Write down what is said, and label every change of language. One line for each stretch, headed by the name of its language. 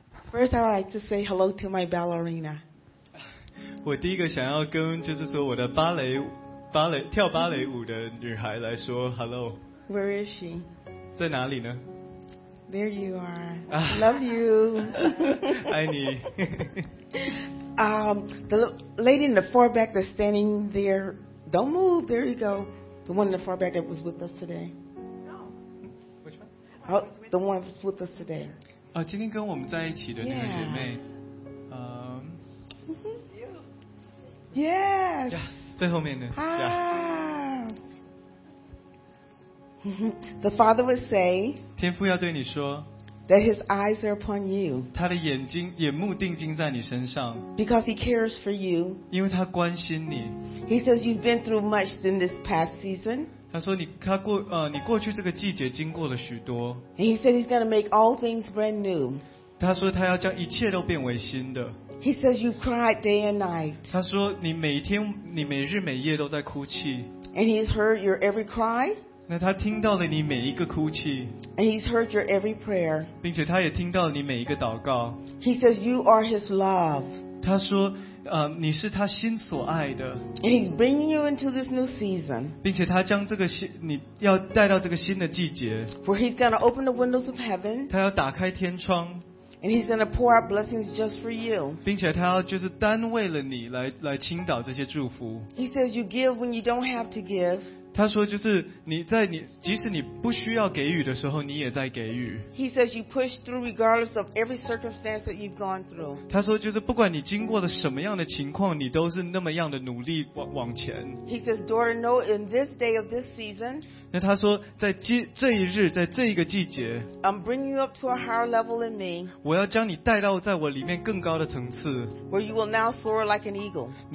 English: First, I would like to say hello to my ballerina.
Chinese: 我第一个想要跟就是说我的跳芭蕾舞的女孩来说 hello.
English: Where is she?
Chinese: 在哪里呢？
English: There you are. Love you.
Chinese: 爱你。
English: The lady in the far back that's standing there, don't move. There you go. The one in the far back that was with us today. No. Which one? Oh, the one that's with us today.
Chinese: 啊，今天跟我们在一起的那个姐妹。
English: Yes.
Chinese: 最后面的。啊。
English: The father would say,
Chinese: 天父要对你说,
English: that his eyes are upon you.
Chinese: 他的眼睛, 眼目定睛在你身上,
English: because he cares for you.
Chinese: 因为他关心你。
English: He says you've been through much in this past season.
Chinese: 他说你, 他过, 你过去这个季节经过了许多。
English: And he said he's going to make all things brand new.
Chinese: 他说他要将一切都变为新的。
English: He says you've cried day and night.
Chinese: 他说你每天, 你每日每夜都在哭泣。
English: And he's heard your every cry.
Chinese: 那他听到了你每一个哭泣
English: And he's heard your every prayer.
Chinese: 并且他也听到了你每一个祷告
English: He says you are his love.
Chinese: 他说你是他心所爱的
English: And he's bringing you into this new season.
Chinese: 并且他将这个新你要带到这个新的季节
English: Where he's going to open the windows of heaven.
Chinese: 他要打开天窗
English: And he's going to pour out blessings just for you.
Chinese: 并且他要就是单为了你来倾倒这些祝福
English: He says you give when you don't have to give.
Chinese: 他说就是你在你即使你不需要给予的时候你也在给予
English: He says you push through regardless of every circumstance that you've gone through
Chinese: 他说就是不管你经过了什么样的情况你都是那么样的努力 往前
English: He says daughter know in this day of this season
Chinese: 那他说在这一日在这一个季节
English: I'm bringing you up to a higher level in me
Chinese: 我要将你带到在我里面更高的层次
English: Where you will now soar like an eagle